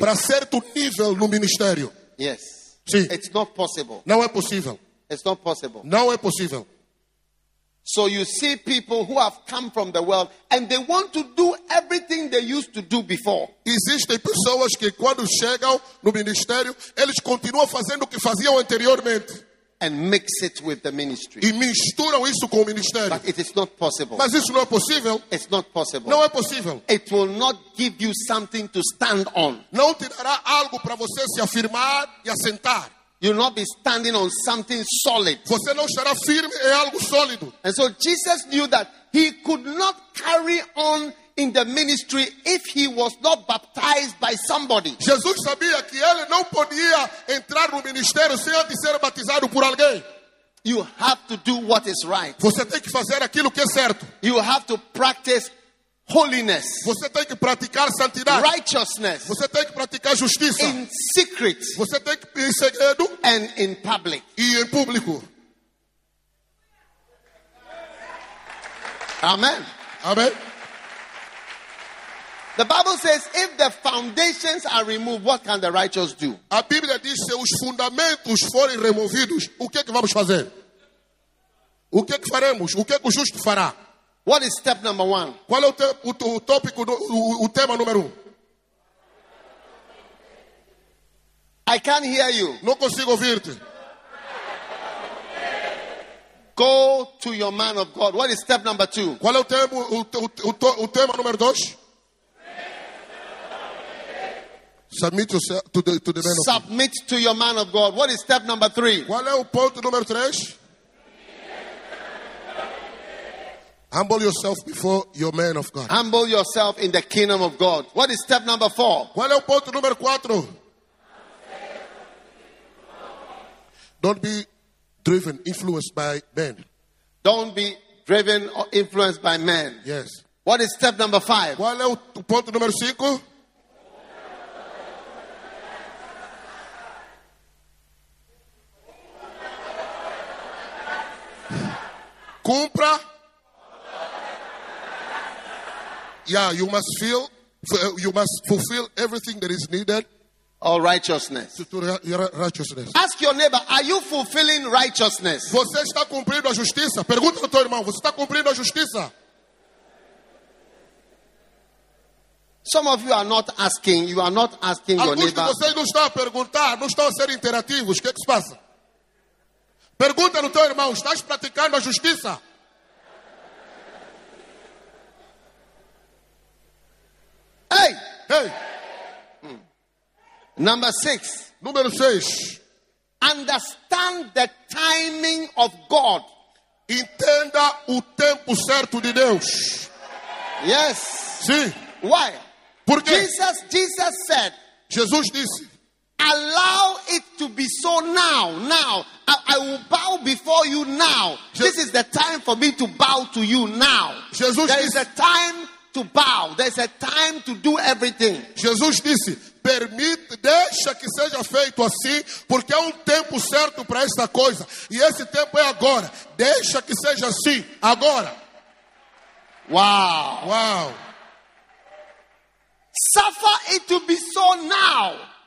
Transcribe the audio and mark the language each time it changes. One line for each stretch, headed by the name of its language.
Portuguese: Para certo nível no ministério.
English: Yes.
Portuguese: Sim.
English: It's not possible.
Portuguese: Não é possível.
English: It's not possible.
Portuguese: Não é possível.
English: So you see people who have come from the world and they want to do everything they used to do before.
Portuguese: Existem pessoas que quando chegam no ministério, eles continuam fazendo o que faziam anteriormente.
English: And mix it with the ministry.
Portuguese: E misturam isso com o ministério.
English: But it is not possible.
Portuguese: Mas isso não é possível.
English: It's not possible.
Portuguese: Não é possível.
English: It will not give you something to stand on.
Portuguese: Não te dará algo para você se afirmar e assentar.
English: You'll not be standing on something solid.
Portuguese: Você não estará firme em algo sólido.
English: And so Jesus knew that he could not carry on in the ministry if he was not baptized by somebody.
Portuguese: Jesus sabia que ele não podia entrar no ministério sem antes ser batizado por alguém.
English: You have to do what is right.
Portuguese: Você tem que fazer aquilo que é certo.
English: You have to practice holiness.
Portuguese: Você tem que praticar santidade.
English: Righteousness.
Portuguese: Você tem que praticar justiça.
English: In secret.
Portuguese: Você tem que em segredo.
English: And in public.
Portuguese: E em público.
English: Amen. Amen. The Bible says, if the foundations are removed, what can the righteous do?
Portuguese: A Bíblia diz, se os fundamentos forem removidos, o que é que vamos fazer? O que é que faremos? O que é que o justo fará?
English: What is step number one?
Portuguese: Qual é o tema número um?
English: I can't hear you.
Portuguese: Não consigo ouvir-te.
English: Go to your man of God. What is step number two?
Portuguese: Qual é o tema número dois?
English: Submit yourself to the man of God. Submit to your man of God. What is step number three?
Portuguese: Qual é o ponto número três?
English: Humble yourself before your man of God. Humble yourself in the kingdom of God. What is step number four?
Portuguese: Qual é o ponto número quatro?
English: Don't be driven, influenced by men. Don't be driven or influenced by men. Yes. What is step number five?
Portuguese: Qual é o ponto número cinco? cumpra.
English: Yeah, you must feel, you must fulfill everything that is needed. All righteousness. Righteousness. Ask your neighbor, are you fulfilling righteousness?
Portuguese: Você está cumprindo a justiça? Pergunta ao teu irmão, você está cumprindo a justiça?
English: Some of you are not asking, you are not asking
Portuguese: alguns
English: your neighbor.
Portuguese: Alguns de vocês não estão a perguntar, não estão a ser interativos, o que é que se passa? Pergunta ao teu irmão, estás praticando a justiça? Ei! Ei!
English: Number 6.
Portuguese: Número 6.
English: Understand the timing of God.
Portuguese: Entenda o tempo certo de Deus.
English: Yes.
Portuguese: Sim.
English: Why?
Portuguese: Por quê?
English: Jesus said.
Portuguese: Jesus disse.
English: Allow it to be so now. Now I will bow before you now. This is the time for me to bow to you now. Jesus there
Portuguese: disse.
English: There is a time to bow. There is a time to do everything.
Portuguese: Jesus disse. Permite, deixa que seja feito assim, porque é um tempo certo para esta coisa. E esse tempo é agora. Deixa que seja assim, agora. Uau! Uau!
English: Suffer it to be so now.